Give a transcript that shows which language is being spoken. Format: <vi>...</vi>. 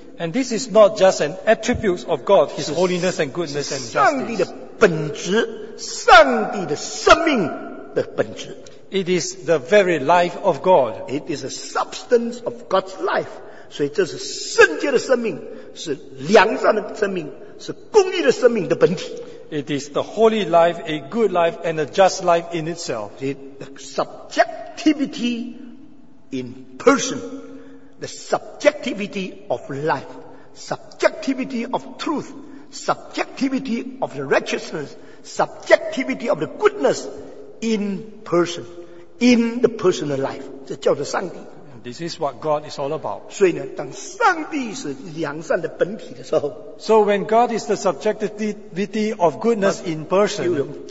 <en>And this is not just an attribute of God, His holiness and goodness and justice.</en> <zh>上帝的本质，上帝的生命的本质。</zh> <en>It is the very life of God. It is a substance of God's life.</en> <zh>所以这是圣洁的生命，是良善的生命。是公义的生命的本体。</zh> <en>It is the holy life, a good life, and a just life in itself. The subjectivity in person, the subjectivity of life, subjectivity of truth, subjectivity of the righteousness, subjectivity of the goodness in person, in the personal life.</en> <zh>这叫做上帝。</zh> <en>This is what God is all about.</en> <zh>所以呢, 当上帝是良善的本体的时候,</zh> <en>so when God is the subjectivity of goodness in person,</en>